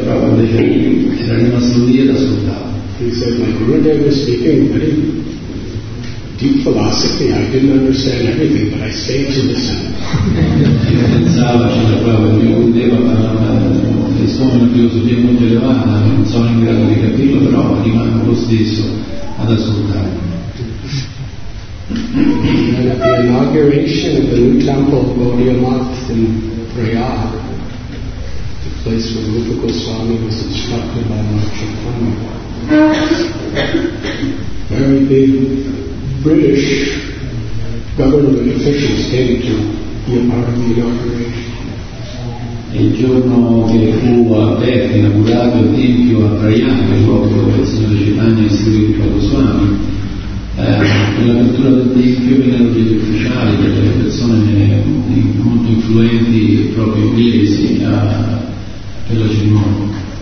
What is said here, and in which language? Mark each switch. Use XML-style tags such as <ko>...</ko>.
<it>proprio invece che era rimasto lì ad ascoltare.</it> <en>He said, my Gurudev was speaking very deep philosophy. I didn't understand everything, but I stayed to listen.</en> <it>Io pensavo, c'era proprio il mio Gurudev a parlare di una filosofia molto elevata, non sono in grado di capirlo, però rimango lo stesso ad ascoltare.</it> <en>And at the inauguration of the new temple of Gaudiamath in Prayag, the place where Rupa Goswami was instructed by Lord Chaitanya, very big British government officials came to be a part of the inauguration.</en> <it>Il giorno che fu aperto, inaugurato il tempio a Prayag, il luogo dove il signor Chaitanya istruì il Papa Swami, nell'apertura del tempio vennero degli ufficiali, delle persone molto influenti, proprio inglesi, per la cerimonia.</it>